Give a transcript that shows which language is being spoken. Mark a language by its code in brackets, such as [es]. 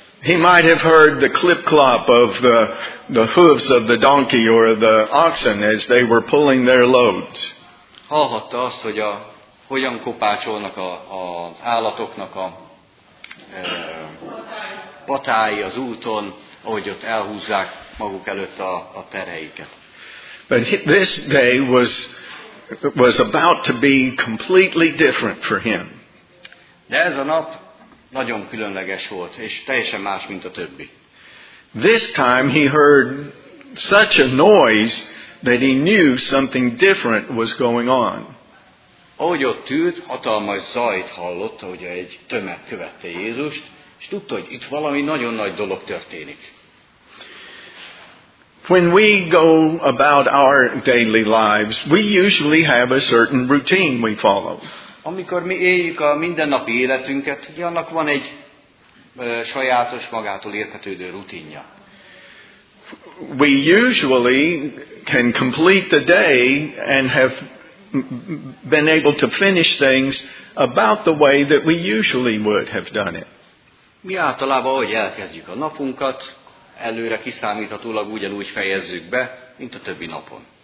[en] He might have heard the clip-clop of the hooves of the donkey or the oxen as they were pulling their loads. [hu] Hallhatta azt, hogy hogyan kopácsolnak az állatoknak a patái az úton, ahogy ott elhúzzák maguk előtt a terheiket. [en] But this day was about to be completely different for him. [hu] De ez a nap nagyon különleges volt, és teljesen más, mint a többi. [en] This time he heard such a noise that he knew something different was going on. [hu] Ahogy ott ült, hatalmas zajt hallott, ahogy egy tömeg követte Jézust, és tudta, hogy itt valami nagyon nagy dolog történik. [en] When we go about our daily lives, we usually have a certain routine we follow. [hu] Amikor mi éljük a mindennapi életünket, ugye annak van egy sajátos, magától értetődő rutinja. [en] We usually can complete the day and have been able to finish things about the way that we usually would have done it. [hu] Mi általában, ahogy elkezdjük a napunkat, előre kiszámíthatólag ugyanúgy fejezzük be, mint a többi napon.